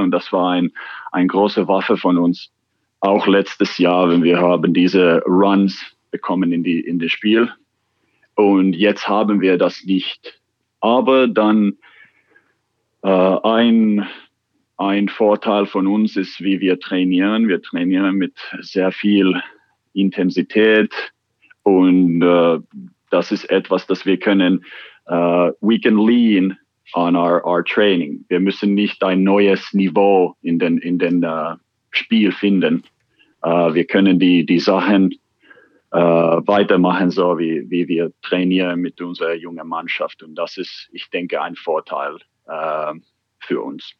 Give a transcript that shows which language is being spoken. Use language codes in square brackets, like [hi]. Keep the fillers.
[de] Und das war ein, eine große Waffe von uns auch letztes Jahr, wenn wir haben diese Runs bekommen in die in das Spiel und jetzt haben wir das nicht. Aber dann äh, ein ein Vorteil von uns ist, wie wir trainieren. Wir trainieren mit sehr viel Intensität und äh, das ist etwas, das wir können. [en] Uh, we can lean on our, our training. [de] Wir müssen nicht ein neues Niveau in den in den uh, Spiel finden. Uh, wir können die, die Sachen uh, weitermachen, so wie, wie wir trainieren mit unserer jungen Mannschaft. Und das ist, ich denke, ein Vorteil uh, für uns.